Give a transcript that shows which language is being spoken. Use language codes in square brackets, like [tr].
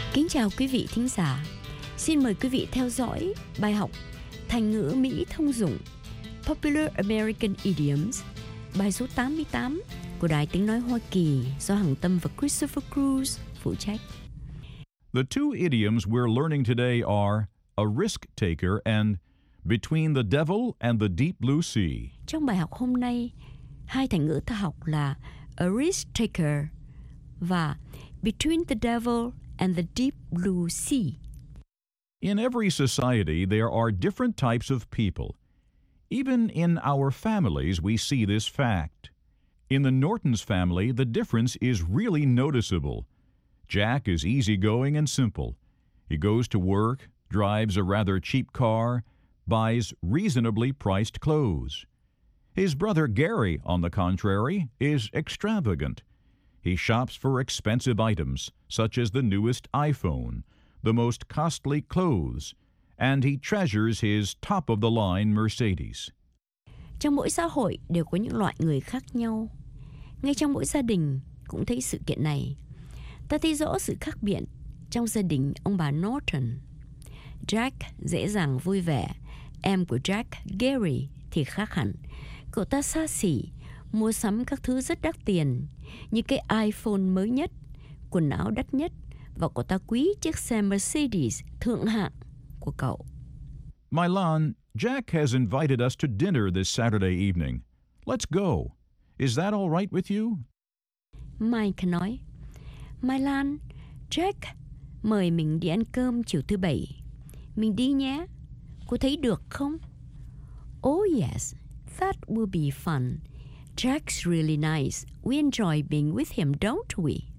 [vi] Chào quý vị thính giả, xin mời quý vị theo dõi bài học Thành ngữ Mỹ thông dụng [en] Popular American Idioms, [vi] bài số 88 của Đài Tiếng Nói Hoa Kỳ do Hằng Tâm và Christopher Cruz phụ trách. [en] The two idioms we're learning today are a risk taker and between the devil and the deep blue sea. [vi] Trong bài học hôm nay, hai thành ngữ ta học là [en] a risk taker [vi] và [en] between the devil and the deep blue sea. In every society, there are different types of people. Even in our families, we see this fact. In the Nortons family, the difference is really noticeable. Jack is easygoing and simple. He goes to work, drives a rather cheap car, buys reasonably priced clothes. His brother Gary, on the contrary, is extravagant. He shops for expensive items, such as the newest iPhone, the most costly clothes, and he treasures his top-of-the-line Mercedes. [vi] Trong mỗi xã hội đều có những loại người khác nhau. Ngay trong mỗi gia đình cũng thấy sự kiện này. Ta thấy rõ sự khác biệt trong gia đình ông bà Norton. Jack dễ dàng vui vẻ. Em của Jack, Gary, thì khác hẳn. Cậu ta xa xỉ, mua sắm các thứ rất đắt tiền, như cái iPhone mới nhất, quần áo đắt nhất, và cậu ta quý chiếc xe Mercedes thượng hạng của cậu. [en] Milan, Jack has invited us to dinner this Saturday evening. Let's go. Is that all right with you? [vi] Mike nói, Milan, Jack mời mình đi ăn cơm chiều thứ bảy. Mình đi nhé. Cô thấy được không? [en] Oh yes, that will be fun. Jack's really nice. We enjoy being with him, don't we?